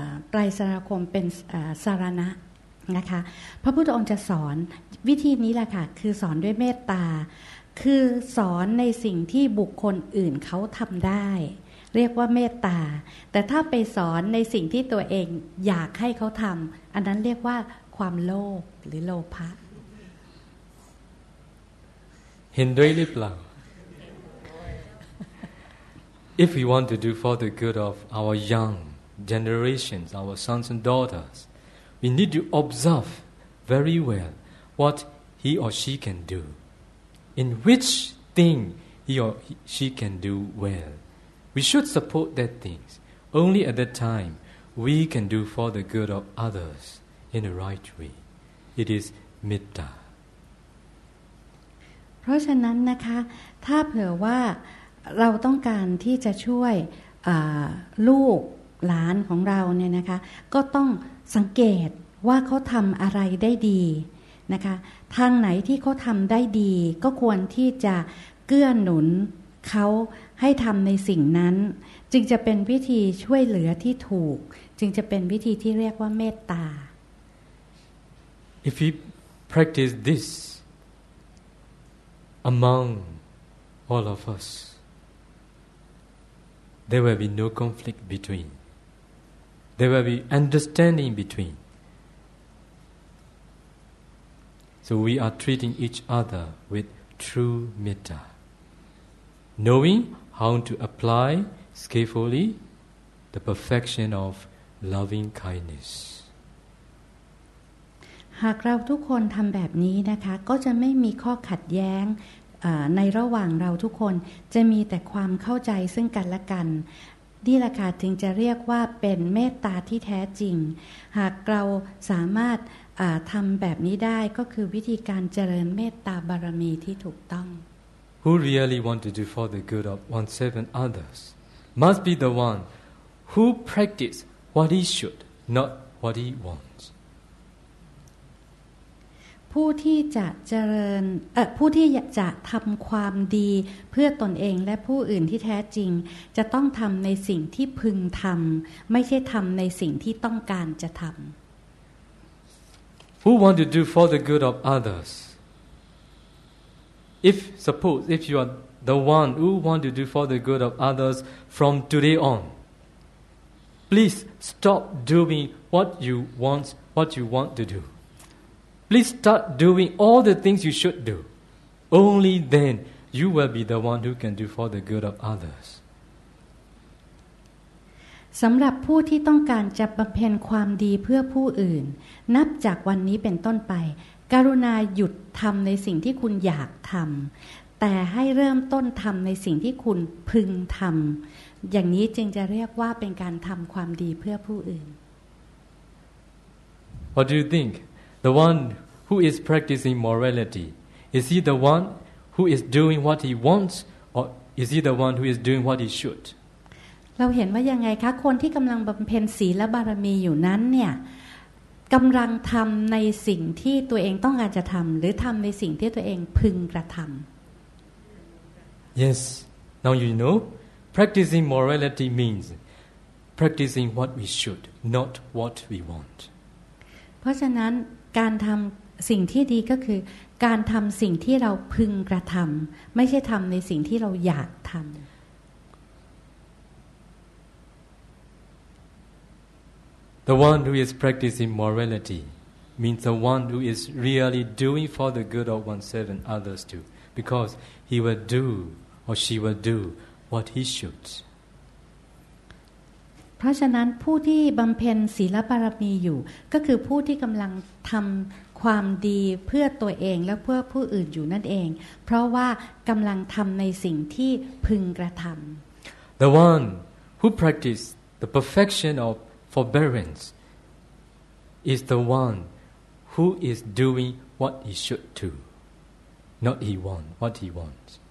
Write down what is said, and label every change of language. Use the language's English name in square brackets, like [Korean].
[Thai] ไตรสารณคมเป็นสารณะนะคะพระพุทธองค์จะสอนวิธีนี้แหละค่ะคือสอนด้วยเมตตาคือสอนในสิ่งที่บุคคลอื่นเขาทำได้เรียกว่าเมตตาแต่ถ้าไปสอนในสิ่งที่ตัวเองอยากให้เขาทำอันนั้นเรียกว่าความโลภหรือโลภ เห็นด้วยหรือเปล่า [English] If we want to do for the good of our young generations our sons and daughters we need to observe very well what he or she can do in which thing he or she can do wellWe should support that things. Only at that time, we can do for the good of others in the right way. It is metta. [Thai] เพราะฉะนั้นนะคะถ้าเผื่อว่าเราต้องการที่จะช่วยลูกหลานของเราเนี่ยนะคะก็ต้องสังเกตว่าเขาทำอะไรได้ดีนะคะทางไหนที่เขาทำได้ดีก็ควรที่จะเกื้อหนุนเขาให้ทำในสิ่งนั้นจึงจะเป็นวิธีช่วยเหลือที่ถูกจึงจะเป็นวิธีที่เรียกว่าเมตตา [English] If we practice this among all of us there will be no conflict between there will be understanding between so we are treating each other with true metta knowingHow to apply skillfully the perfection of loving kindness. [Thai] หากเราทุกคนทำแบบนี้นะคะก็จะไม่มีข้อขัดแย้งในระหว่างเราทุกคนจะมีแต่ความเข้าใจซึ่งกันและกันนี่แหละค่ะถึงจะเรียกว่าเป็นเมตตาที่แท้จริงหากเราสามารถทำแบบนี้ได้ก็คือวิธีการเจริญเมตตาบารมีที่ถูกต้อง [English] Who really want to do for the good of oneself and others must be the one who practice what he should, not what he wants. [Thai] ผู้ที่จะเจริญผู้ที่จะทำความดีเพื่อตนเองและผู้อื่นที่แท้จริงจะต้องทำในสิ่งที่พึงทำไม่ใช่ทำในสิ่งที่ต้องการจะทำ [English] Who want to do for the good of others? If suppose if you are the one who want to do for the good of others from today on, please stop doing what you want to do. Please start doing all the things you should do. Only then you will be the one who can do for the good of others. [Thai] สำหรับผู้ที่ต้องการจะบำเพ็ญความดีเพื่อผู้อื่นนับจากวันนี้เป็นต้นไปกรุณาหยุดทำในสิ่งที่คุณอยากทำแต่ให้เริ่มต้นทำในสิ่งที่คุณพึงทำอย่างนี้จึงจะเรียกว่าเป็นการทำความดีเพื่อผู้อื่น [English] What do you thinkThe one who is practicing morality, is he the one who is doing what he wants, or is he the one who is doing what he should? [Thai] เราเห็นว่ายังไงคะคนที่กำลังบำเพ็ญศีลและบารมีอยู่นั้นเนี่ยกำลังทำในสิ่งที่ตัวเองต้องการจะทำหรือทำในสิ่งที่ตัวเองพึงกระทำ [English] Yes, now you know, practicing morality means practicing what we should, not what we want. [Thai] เพราะฉะนั้นการทำสิ่งที่ดีก็คือการทำสิ่งที่เราพึงกระทำไม่ใช่ทำในสิ่งที่เราอยากทำ [English] The one who is practicing morality means the one who is really doing for the good of oneself and others too because he will do or she will do what he should [Thai] เพราะฉะนั้นผู้ที่บำเพ็ญศีลบารมีอยู่ก็คือผู้ที่กำลังทำความดีเพื่อตัวเองและเพื่อผู้อื่นอยู่นั่นเองเพราะว่ากำลังทำในสิ่งที่พึงกระทำ [English] The one who practice the perfection of forbearance is the one who is doing what he should do not he want what he wants